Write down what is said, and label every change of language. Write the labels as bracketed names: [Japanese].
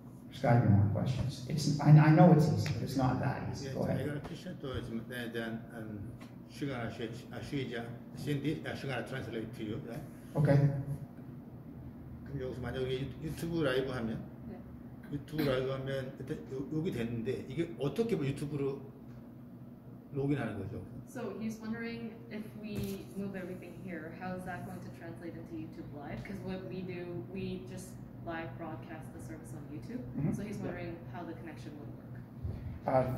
[English] There's got to be more questions. I know it's easy, but it's not that easy. Yeah, go ahead. I got a question to I'm going to translate to you, right? Okay. [Korean] 여기서 만약에 유튜브 라이브 하면 유튜브 라이브 하면 그때 여기 됐는데 이게 어떻게 유튜브로 로그인하는 거죠? [English] So he's wondering if we move everything here, how is that going to translate into YouTube Live? Because what we do, we just live broadcast the service on YouTube. Mm-hmm. So he's wondering how the connection would work.